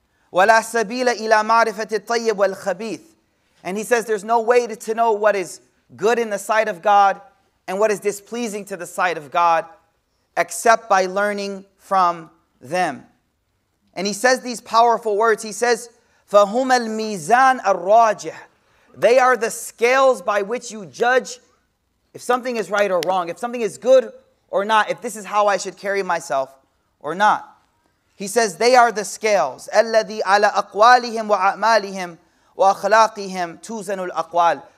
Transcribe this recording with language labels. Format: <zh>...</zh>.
<ar>Wala sabila ila ma'rifati tayyib wal khabith.</ar> <en>And he says there's no way to know what is good in the sight of God and what is displeasing to the sight of God except by learning from them. And he says these powerful words. He says,</en> <ar>فَهُمَ الْمِيزَانَ الرَّاجِحَ.</ar> <en>They are the scales by which you judge if something is right or wrong, if something is good or not, if this is how I should carry myself or not. He says, they are the scales.</en> <ar>أَلَّذِي عَلَىٰ أَقْوَالِهِمْ وَأَعْمَالِهِمْ وَأَخْلَاقِهِمْ تُوزَنُ الْأَقْوَالِ.</ar>